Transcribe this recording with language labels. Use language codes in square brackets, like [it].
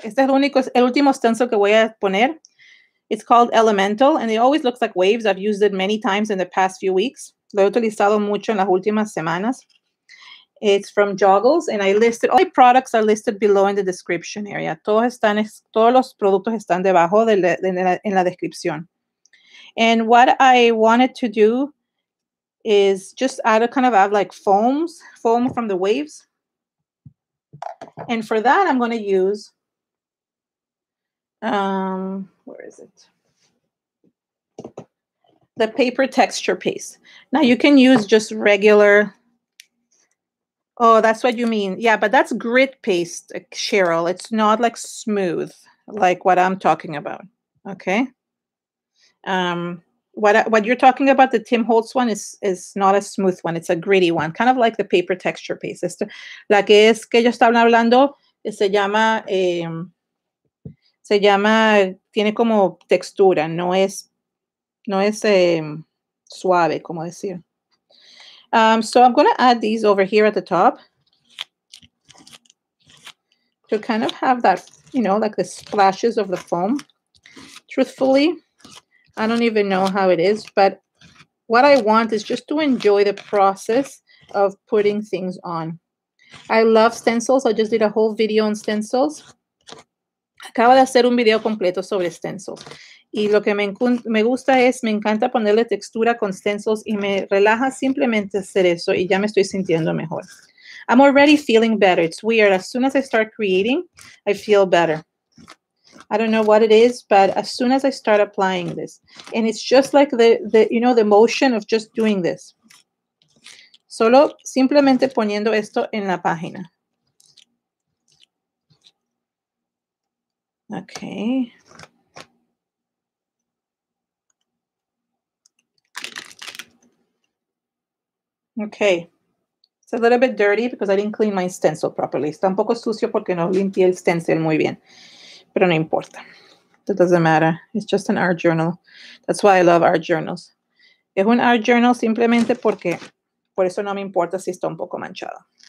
[es] Este es el último stencil que voy a poner. [en] It's called Elemental, and it always looks like waves. I've used it many times in the past few weeks. [es] Lo he utilizado mucho en las últimas semanas. [en] It's from Joggles, and all my products are listed below in the description area. [es] Todos los productos están debajo en la descripción. [en] And what I wanted to do is just add like foam from the waves. And for that, I'm going to use, where is it? The paper texture paste. Now you can use just regular. Oh, that's what you mean. Yeah, but that's grit paste, Cheryl. It's not like smooth, like what I'm talking about, okay? What you're talking about, the Tim Holtz one, is not a smooth one. It's a gritty one, kind of like the paper texture paste. [es] Esto, la que es que yo estaba hablando, se llama, tiene como textura, no es suave, como decir. [en] So I'm going to add these over here at the top. to kind of have that, you know, like the splashes of the foam. Truthfully, I don't even know how it is, but what I want is just to enjoy the process of putting things on. I love stencils. I just did a whole video on stencils. [es] Acabo de hacer un video completo sobre stencils. Y lo que me gusta es, me encanta ponerle textura con stencils y me relaja simplemente hacer eso y ya me estoy sintiendo mejor. [en] I'm already feeling better. It's weird. As soon as I start creating, I feel better. I don't know what it is, but as soon as I start applying this, and it's just like the motion of just doing this. [es] Solo simplemente poniendo esto en la página. [en] Okay. Okay. It's a little bit dirty because I didn't clean my stencil properly. [es] Está un poco sucio porque no limpié el stencil muy bien. Pero no importa. [en] It doesn't matter. It's just an art journal. That's why I love art journals. [es] Es un art journal simplemente porque por eso no me importa si está un poco manchado.